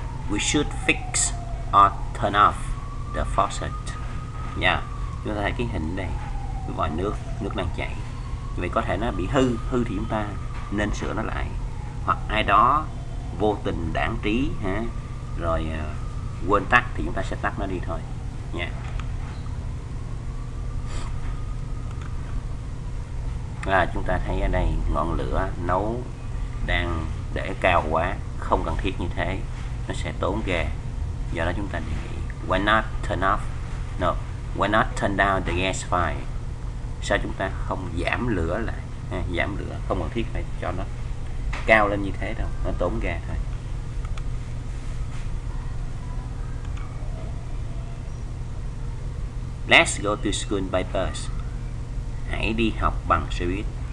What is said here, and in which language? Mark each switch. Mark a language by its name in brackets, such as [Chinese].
[English] We should fix or turn off the faucet. Yeah. [Vietnamese] Chúng ta thấy cái hình này, cái vòi nước, nước đang chảy. Vậy có thể nó bị hư, hư thì chúng ta nên sửa nó lại. Hoặc ai đó vô tình đãng trí ha, rồi quên tắt thì chúng ta sẽ tắt nó đi thôi. Nha. Yeah. Chúng ta thấy ở đây ngọn lửa nấu đang để cao quá, không cần thiết như thế. Nó sẽ tốn ga. Do đó chúng ta đề nghị [English] why not turn off? No, why not turn down the gas fire? [Vietnamese] Sao chúng ta không giảm lửa lại? Ha, giảm lửa không cần thiết phải cho nó cao lên như thế đâu, nó tốn ga thôi. [English] Let's go to school by bus. [Vietnamese] Hãy đi học bằng xe buýt.